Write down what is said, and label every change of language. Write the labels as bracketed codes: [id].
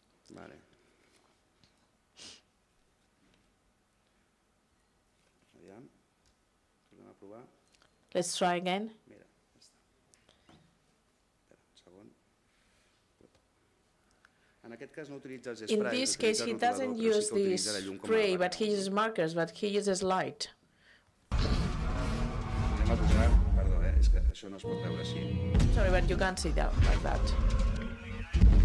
[ca] Vale. Aviam. Tornem a provar. [en] Let's try again. [ca] Mira, ja està. Espera, un segon. En aquest cas no utilitza els sprays. [en] In this case, he doesn't use the spray, but he uses markers, but he uses light. [ca] Anem a tocar. Perdó, és que això no es pot veure així. [en] Sorry, but you can't see that like that.